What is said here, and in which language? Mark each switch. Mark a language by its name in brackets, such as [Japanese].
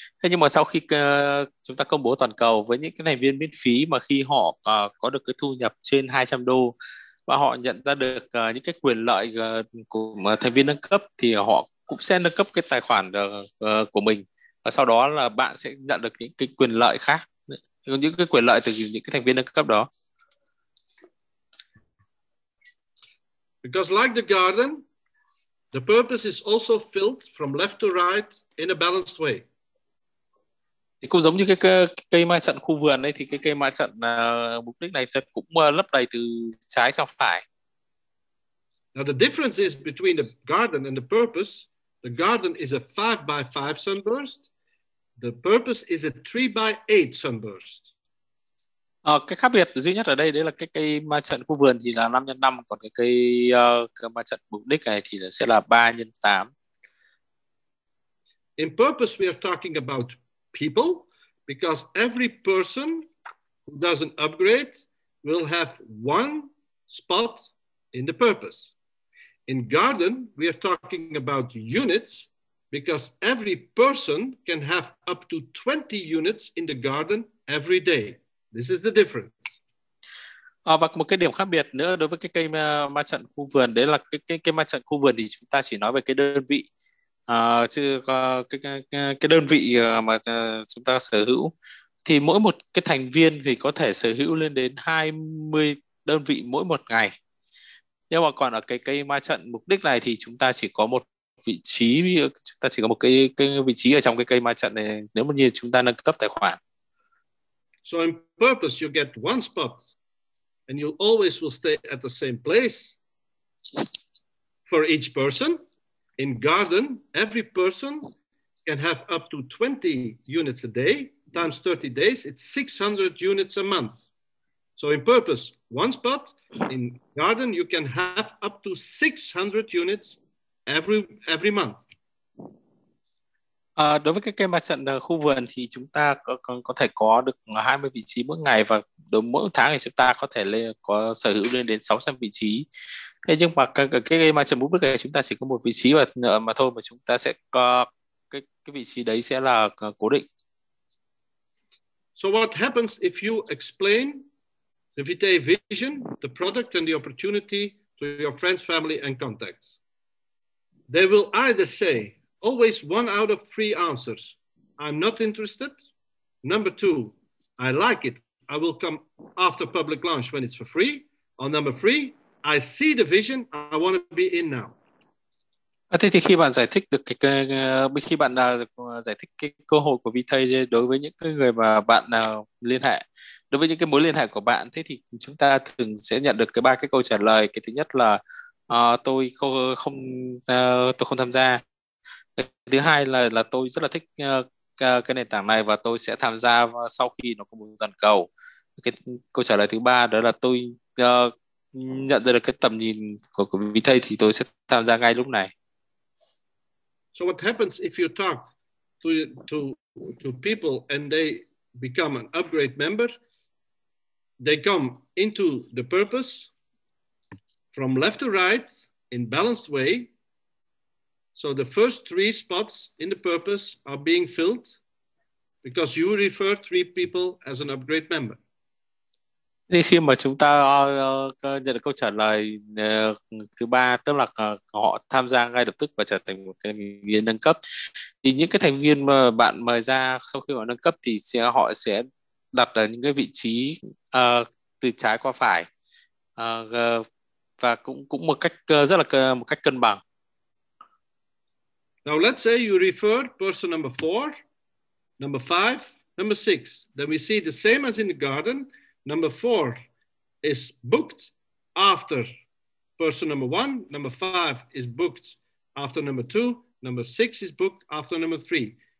[Vietnamese] Thế nhưng mà sau khi chúng ta công bố toàn cầu với những cái thành viên miễn phí, mà khi họ có được cái thu nhập trên $200 và họ nhận ra được những cái quyền lợi của thành viên nâng cấp, thì họ cũng sẽ nâng cấp cái tài khoản của mình, và sau đó là bạn sẽ nhận được những cái quyền lợi khác, những cái quyền lợi từ những cái thành viên nâng cấp đó. [English] Because like the garden, the purpose is also filled from left to right in a balanced way. [Vietnamese] Thì cũng giống như cái cây ma trận khu vườn đấy, thì cái cây ma trận mục đích này cũng lấp đầy từ trái sang phải. [English] Now the difference is between the garden and the purpose. The garden is a 5x5 sunburst. The purpose is a 3x8 sunburst. [Vietnamese] Cái khác biệt duy nhất ở đây đấy là cái cây ma trận khu vườn thì là 5x5, còn cái cây ma trận mục đích này thì sẽ là 3x8. [English] In purpose we are talking about people, because every person who does an upgrade will have one spot in the purpose. In garden we are talking about units, because every person can have up to 20 units in the garden every day. This is the difference. [Vietnamese] Và một cái điểm khác biệt nữa đối với cái cây ma trận khu vườn đấy là cái ma trận khu vườn thì chúng ta chỉ nói về cái đơn vị chứ cái đơn vị mà chúng ta sở hữu, thì mỗi một cái thành viên thì có thể sở hữu lên đến 20 đơn vị mỗi một ngày. Nhưng mà còn ở cái cây ma trận mục đích này thì chúng ta chỉ có một vị trí, chúng ta chỉ có một cái vị trí ở trong cái cây ma trận này nếu mà như chúng ta nâng cấp tài khoản. [English] So in purpose you get one spot and you always will stay at the same place for each person. In garden, every person can have up to 20 units a day times 30 days. It's 600 units a month. So in purpose, one spot. In garden, you can have up to 600 units every month. [Vietnamese] Đối với cái cây ma trận khu vườn thì chúng ta có thể có được 20 vị trí mỗi ngày và mỗi tháng thì chúng ta có thể có sở hữu lên đến 600 vị trí. Thế nhưng mà cái cây ma trận mục đích này chúng ta chỉ có một vị trí mà thôi, mà chúng ta sẽ có cái vị trí đấy sẽ là cố định. [English] So what happens if you explain the Vitae vision, the product and the opportunity to your friends, family and contacts? They will either say, always one out of three answers. I'm not interested. Number two, I like it. I will come after public launch when it's for free. Or number three, I see the vision. I want to be in now. [Vietnamese] Thế thì khi bạn giải thích được khi bạn giải thích cái cơ hội của Vitae đối với những người mà bạn liên hệ, đối với những cái mối liên hệ của bạn, thế thì chúng ta thường sẽ nhận được cái ba cái câu trả lời. Cái thứ nhất là tôi không tham gia. Thứ hai là tôi rất là thích cái nền tảng này và tôi sẽ tham gia sau khi nó có một toàn cầu. Cái câu trả lời thứ ba đó là tôi nhận ra được cái tầm nhìn của Vitae thì tôi sẽ tham gia ngay lúc này. [English] So what happens if you talk to people and they become an upgrade member? They come into the purpose from left to right in balanced way. So the first three spots in the purpose are being filled because you refer three people as an upgrade member. [Vietnamese] Thì khi mà chúng ta nhận được câu trả lời thứ ba, tức là họ tham gia ngay lập tức và trở thành một cái thành viên nâng cấp, thì những cái thành viên mà bạn mời ra sau khi họ nâng cấp thì họ sẽ đặt ở những cái vị trí từ trái qua phải và cũng một cách rất là một cách cân bằng. [English] Now let's say you refer person number 4, number 5, number 6. Then we see the same as in the garden. Number 4 is booked after person number 1. Number 5 is booked after number 2. Number 6 is booked after number 3.